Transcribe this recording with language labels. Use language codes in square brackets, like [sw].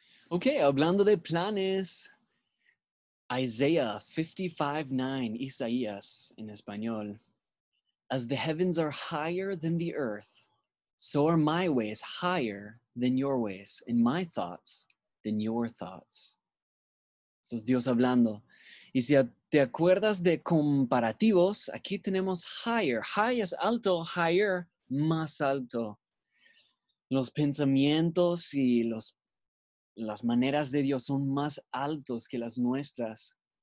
[es] Okay, hablando de planes, Isaiah 55:9, Isaías en español. [en] As the heavens are higher than the earth, so are my ways higher than your ways, and my thoughts than your thoughts. [es] Eso es Dios hablando. Y si te acuerdas de comparativos, aquí tenemos higher. High es alto, higher, más alto. Los pensamientos y las maneras de Dios son más altos que las nuestras.